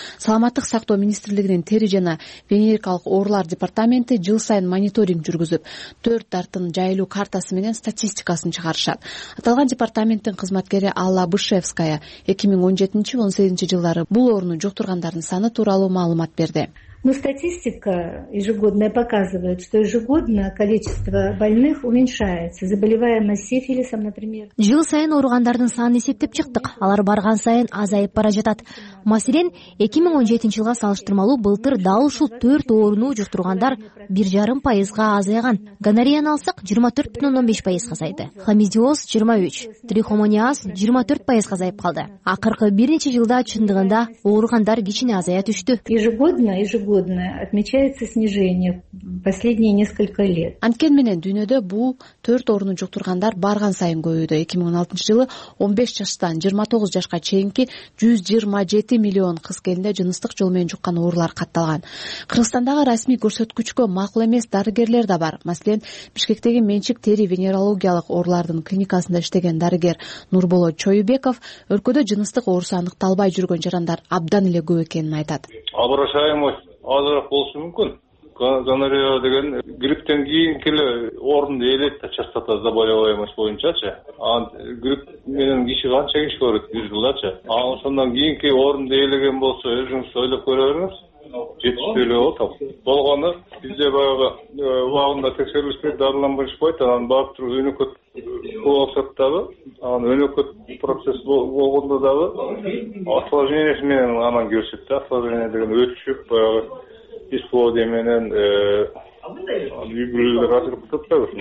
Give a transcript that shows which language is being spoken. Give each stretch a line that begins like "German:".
Kyrgyz: Саламаттык сактоо министрлигинин тери жана венерикалык оорулар департаменти жыл сайын мониторинг жүргүзүп, төрт дарттын жайылуу картасы менен статистикасын чыгарышат. Аталган департаменттин кызматкери Алла Бышевская 2017-18 жылдары бул ооруну жуктургандардын саны тууралуу маалымат берди.
Russian: Но статистика ежегодная показывает, что ежегодно количество больных уменьшается. Заболеваемость сифилисом, например.
Kyrgyz: Жыл сайын ооругандардын санын эсептеп чыктык. Алар барган сайын азайып бара жатат. Маселен, 2017 жылга салыштырмалуу былтыр дал ушул 4 ооруну жуктургандар 1.5% азайган. Гонореяны алсак 24.15% азайды. Хламидиоз 23, трихомониаз 24% азайып калды. Акыркы бир нече жылда чындыгында ооругандар кичине азая түштү.
Russian: Отмечается снижение последние несколько лет.
Kyrgyz: Анткен менен дүйнөдө бул төрт ооруну жуктургандар барган сайын көбөйүүдө. 2016 жылы 15 жаштан 29 жашка чейинки 127 миллион кыз келинде жыныстык жол менен жуккан оорулар катталган. Кыргызстандагы расмий көрсөткүчкө макул эмес дарыгерлер да бар. Маселен, Бишкектеги менчик тери венерологиялык оорулардын клиникасында иштеген дарыгер Нурболот Чоюбеков өлкөдө жыныстык оорусу аныкталбай жүргөн жарандар абдан эле көп экенин айтат. Азыраак болушу мүмкүн. Гонорея деген грипптен кийинки эле орунду ээлейт да,
Russian: частота заболеваемость
Kyrgyz: боюнчачы. Анан грипп менен киши канча киши көрөт бир жылдачы. Анан ошондон кийинки орунду ээлеген болсо, өзүңүз ойлоп көрө бериңиз. Жетиштүү эле болот ал. Болгону бизде баягы убагында текшерилиштер дарыланбашпайт, анан барып туруп өнөкөт болсоттагы, анан өнөкөт процесс болгондо дагы осложнениеси менен анан көрсөт да, осложнение деген өтүшүп баягы исплодия менен үйбүлөлөр азыркытат да.